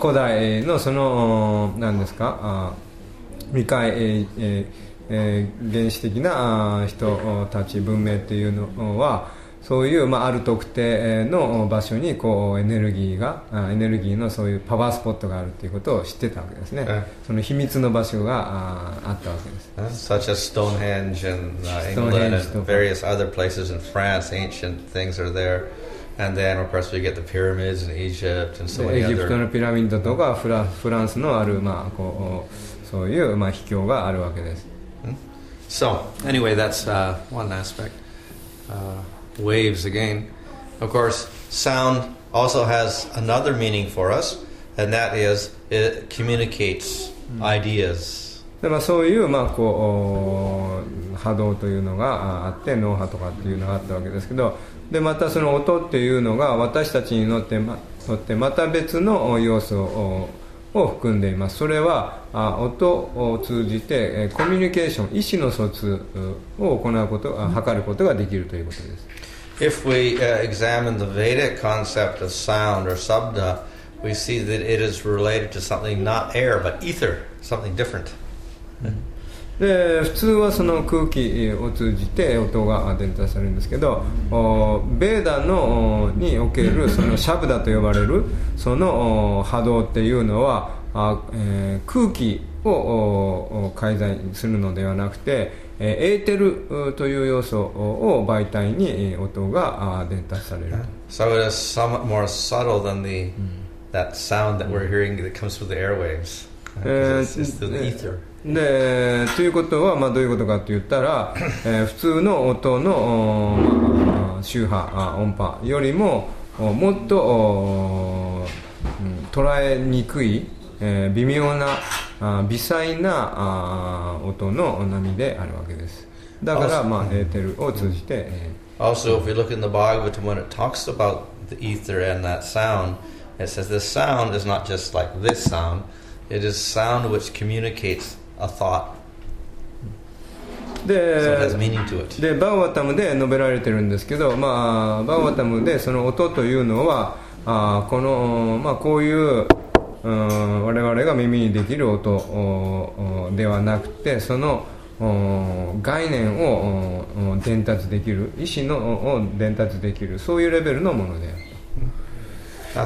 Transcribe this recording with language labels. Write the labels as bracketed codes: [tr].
[ja] 古代のその、何ですか、未開、原始的な人たち、文明っていうのは、そういう、まあ、ある特定の場所にこうエネルギーが、エネルギーのそういうパワースポットがあるということを知ってたわけですね。その秘密の場所が あったわけです。 [en] Such as Stonehenge in England and various other places in France, ancient things are there. And then, of course, we get the pyramids in Egypt and so many other. [ja] Egypt のピラミッドとかフランスのあるまあこうそういうまあ秘境があるわけです。 [en] So anyway, that's one aspect. Waves again. Of course, sound also has another meaning for us, and that is it communicates ideas. [ja] でまあそういうまあこう波動というのがあって脳波とかっていうのがあったわけですけど。でまたその音っていうのが私たちにとってまた別の要素を含んでいます。それは音を通じてコミュニケーション意思の疎通を行うこと測ることができるということです。 [en] If we examine the Vedic concept of sound or shabda, we see that it is related to something not air but ether, something different. [ja] で普通はその空気を通じて音が伝達されるんですけど、ベーダのにおけるそのシャブダと呼ばれるその波動っていうのは空気を介在するのではなくてエーテルという要素を媒体に音が伝達される。 [en] So it is somewhat more subtle than that sound that we're hearing that comes through the airwaves. It's through the ether. [ja] でということは、まあ、どういうことかといったら、普通の音の、まあ、周波音波よりももっと捉えにくい、微妙な微細な音の波であるわけです。だから、まあ、エーテルを通じて、 [en] Also if you look in the Bhagavatam when it talks about the ether and that sound, it says this sound is not just like this sound, it is sound which communicatesA thought. で、 so、it has meaning to it. [ja] で、バーワタムで述べられてるんですけど、まあ、バーワタムでその音というのは、この、まあ、こういう、我々が耳にできる音ではなくて、その概念を伝達できる、意思のを伝達できる、そういうレベルのものである。